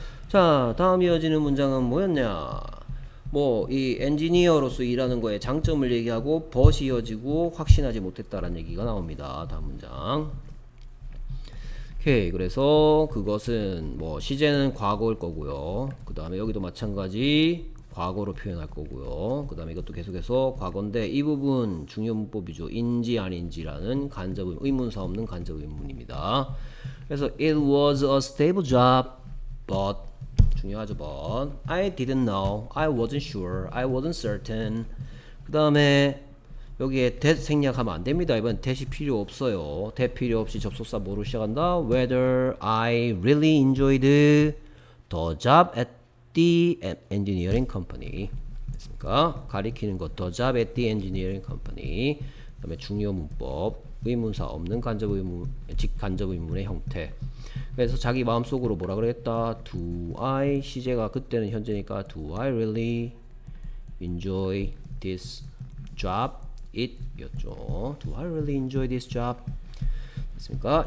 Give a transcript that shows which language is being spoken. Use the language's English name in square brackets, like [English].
[Korean] 자, 다음 이어지는 문장은 뭐였냐? 뭐이 엔지니어로서 일하는 거에 장점을 얘기하고 but 이어지고 확신하지 못했다라는 얘기가 나옵니다. 다음 문장. 오케이. 그래서 그것은 뭐 시제는 과거일 거고요. 그 다음에 여기도 마찬가지 과거로 표현할 거고요. 그 다음에 이것도 계속해서 과거인데 이 부분 중요한 문법이죠. 인지 아닌지라는 간접 의문사 없는 간접 의문입니다. [English] 그래서 it was a stable job but [Korean] 중요하죠, [English] but I didn't know, I wasn't sure, I wasn't certain. [Korean] 그 다음에 여기에 that 생략하면 안 됩니다. 이번엔 that이 필요 없어요. that 필요 없이 접속사 뭐로 시작한다? [English] Whether I really enjoyed the job at the engineering company. [Korean] 됐습니까? 가리키는 거, [English] the job at the engineering company. [Korean] 그 다음에 중요 문법. 의문사 없는 직간접 의문의 형태. 그래서 자기 마음속으로 뭐라 그랬다? [English] Do I, [Korean] 시제가 그때는 현재니까 [English] Do I really enjoy this job? it였죠. Do I really enjoy this job? 됐습니까?